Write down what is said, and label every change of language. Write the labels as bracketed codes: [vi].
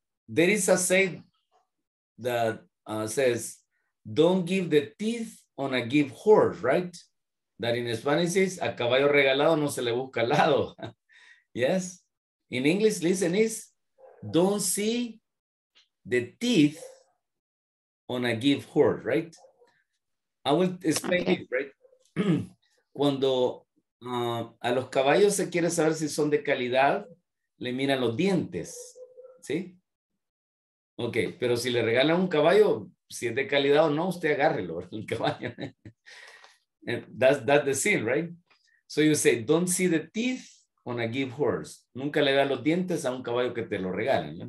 [en] There is a saying that says, don't give the teeth on a gift horse, right? [es] That in Spanish is, a caballo regalado no se le busca lado. Yes? [en] In English, listen, is, don't see the teeth on a gift horse, right? I will explain okay. It, right? [es] Cuando a los caballos se quiere saber si son de calidad, le miran los dientes, ¿sí? Ok, pero si le regalan un caballo, si es de calidad o no, usted agárrelo, el caballo. [en] That's the scene, right? So you say, don't see the teeth on a gift horse. [es] Nunca le vea los dientes a un caballo que te lo regalen.